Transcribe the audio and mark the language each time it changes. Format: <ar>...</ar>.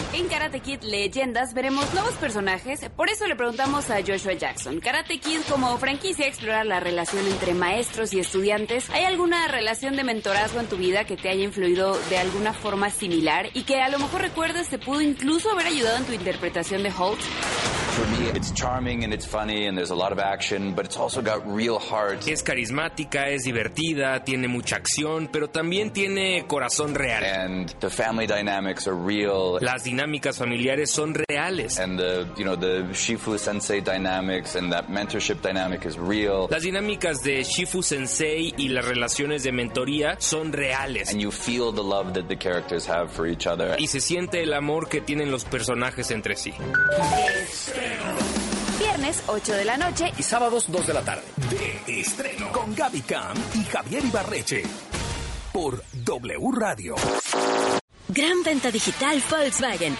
<es>En Karate Kid Leyendas veremos nuevos personajes. Por eso le preguntamos a Joshua Jackson. Karate Kid como franquicia explora la relación entre maestros y estudiantes. ¿Hay alguna relación de mentorazgo en tu vida que te haya influido de alguna forma similar y que a lo mejor recuerdas te pudo incluso haber ayudado en tu interpretación de Holt?</es> <en>For me, it's charming and it's funny and there's a lot of action, but it's also got real heart.</en> <es>Es carismática, es divertida, tiene mucha acción, pero también tiene corazón real.</es> <en>And the family dynamics are real.</en> <es>Las dinámicas familiares son reales.</es> <en>And the, you know, the Shifu Sensei dynamics and that mentorship dynamic is real.</en> <es>Las dinámicas de Shifu Sensei y las relaciones de mentoría son reales.</es> <en>And you feel the love that the characters have for each other.</en> <es>Y se siente el amor que tienen los personajes entre sí. Viernes 8 de la noche y sábados 2 de la tarde. De estreno con Gaby Cam y Javier Ibarreche. Por W Radio. Gran venta digital Volkswagen.</es>